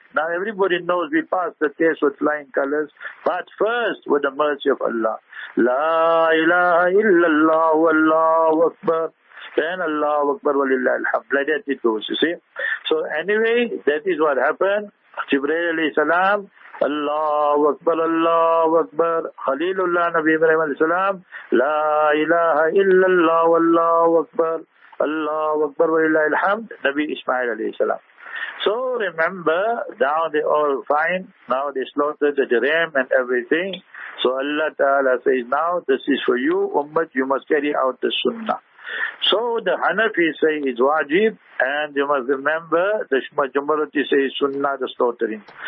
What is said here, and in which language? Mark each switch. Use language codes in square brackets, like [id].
[en] Now everybody knows we passed the test with flying colors, but first with the mercy of Allah. [ar] La ilaha illallah wa Allahu Akbar. [en] Then [ar] Allahu Akbar wa lillahi alhamd. [en] Like that it goes, you see. So anyway, that is what happened. [ar] جبريل عليه السلام الله أكبر الله أكبر خليل الله نبي إبراهيم عليه السلام لا إله إلا الله والله أكبر الله أكبر ولله الحمد نبي إسماعيل عليه السلام. [en] So remember, now they all fine, now they slaughtered the dirham and everything. So Allah Ta'ala says, now this is for you, Ummat, you must carry out the Sunnah. So the Hanafi say it's wajib, and you must remember, the majority say Sunnah, the slaughtering.